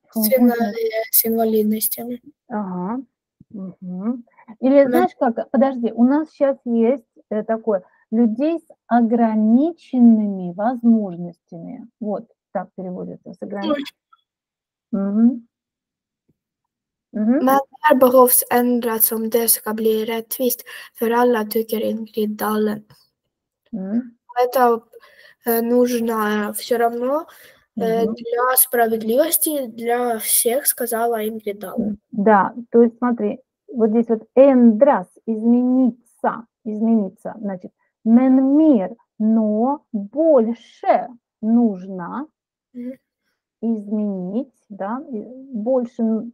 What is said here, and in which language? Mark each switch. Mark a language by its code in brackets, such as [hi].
[ru] С инвалидностями. Ага. Угу. Или знаешь как, подожди, у нас сейчас есть такое, людей с ограниченными возможностями. Вот так переводится, с ограниченными. Угу. [sv] Men här behövs ändras om det ska bli rättvist för alla, tycker Ingrid Dahlen. [ru] Это нужно все равно для справедливости для всех, сказала Ингрид Дален. Да, то есть смотри, вот здесь вот ändras, измениться, измениться, значит, [sv] men mer, [ru] но больше нужно изменить, да, больше...